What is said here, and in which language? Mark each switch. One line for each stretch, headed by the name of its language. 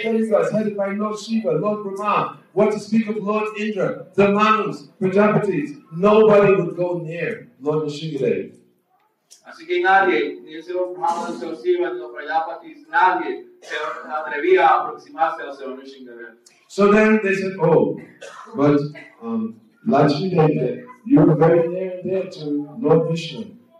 English: demigods headed by Lord Shiva, Lord Brahma, what to speak of Lord Indra, the Manus, Prajapati, nobody would go near Lord Vishnudev.
Spanish: Así que nadie, ni el señor Brahma, ni el señor Shiva, ni los Prajapati, nadie se atrevía a aproximarse al señor Vishnudev.
English: So then they said, but Lakshmidev, you were very near and dear to Lord Vishnu.